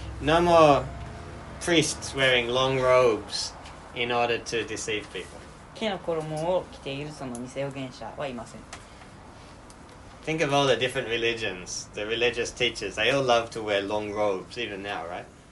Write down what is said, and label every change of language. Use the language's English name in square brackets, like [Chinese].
[English] No more priests wearing long robes in order to deceive people. [Japanese] 木の衣を着ているその偽預言者はいません。 [English] Think of all the different religions, the religious teachers. They all love to wear long robes, even now, right?